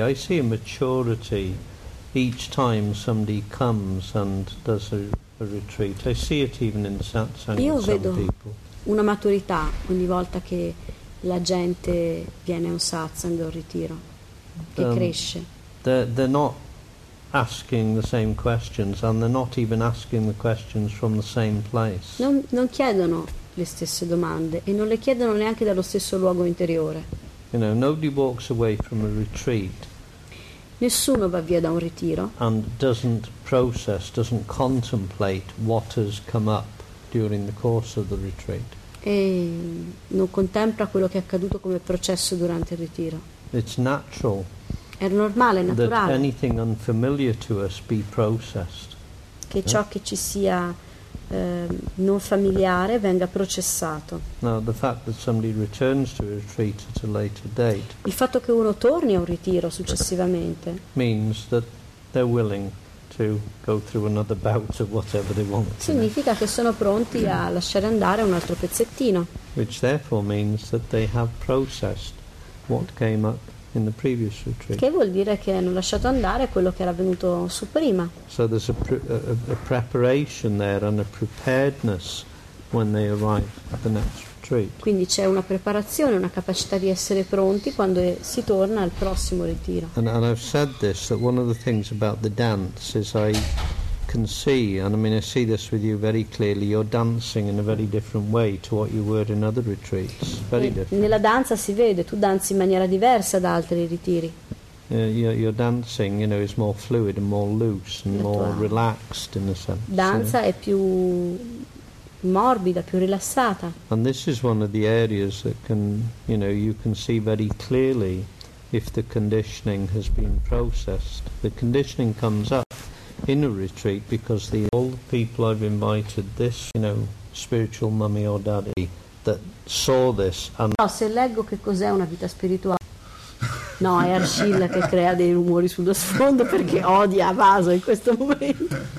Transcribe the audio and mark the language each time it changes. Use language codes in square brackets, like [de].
[en] I see a maturity each time somebody comes and does a retreat. I see it even in satsang with some people. [it] Io vedo una maturità ogni volta che la gente viene a un satsang o un ritiro, che cresce. [en] They're not asking the same questions, and they're not even asking the questions from the same place. [it] Non chiedono le stesse domande e non le chiedono neanche dallo stesso luogo interiore. [en] You know, nobody walks away from a retreat. [it] Nessuno va via da un ritiro. [en] And doesn't process, doesn't contemplate what has come up during the course of the retreat. [it] E non contempla quello che è accaduto come processo durante il ritiro. [en] It's natural. [it] È normale, naturale. [en] That anything unfamiliar to us be processed. [it] Che ciò che ci sia non familiare venga processato. [en] Now, the fact that somebody returns to a retreat at a later date, [it] il fatto che uno torni a un ritiro successivamente, [en] means that they're willing to go through another bout of whatever they want. [it] Significa che sono pronti a lasciare andare un altro pezzettino. [en] Which therefore means that they have processed what came up in the previous retreat. [it] Che vuol dire che hanno lasciato andare quello che era venuto su prima. [en] So there's a preparation there and a preparedness when they arrive at the next retreat. [it] Quindi c'è una preparazione, una capacità di essere pronti quando si torna al prossimo ritiro. [en] And I've said this, that one of the things about the dance is I can see, and I mean I see this with you very clearly, you're dancing in a very different way to what you were in other retreats. Very different. [it] Nella danza si vede, tu danzi in maniera diversa da altri ritiri. [en] Your dancing, you know, is more fluid and more loose and more relaxed in a sense. [it] Danza è più morbida, più rilassata. [en] And this is one of the areas that can, you know, you can see very clearly if the conditioning has been processed. The conditioning comes up in a retreat because all the people I've invited, this, you know, spiritual mummy or daddy that saw this and... [it] No, se leggo che cos'è una vita spirituale. No, è Arcilla che crea dei rumori sullo sfondo perché odia Avasa in questo momento.